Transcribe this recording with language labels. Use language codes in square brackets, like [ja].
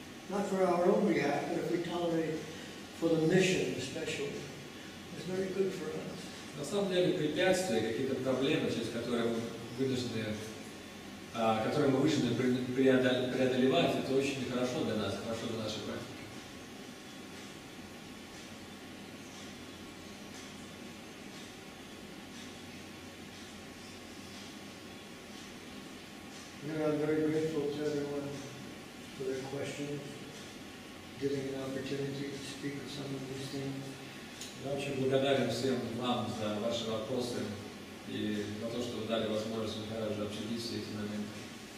[en] Not for our own behalf, but if we tolerate for the mission especially, it's very good for us. [ru] На самом деле препятствия, какие-то проблемы, через которые мы вынуждены, которые мы вынуждены преодолевать, это очень хорошо для нас, хорошо для нашей практики. [en] And I'm very grateful to everyone for their questions, giving an opportunity to speak of some of these things. [ru] Я очень благодарен всем вам за ваши вопросы и за то, что вы дали возможность Махараджу общаться с этими моментами.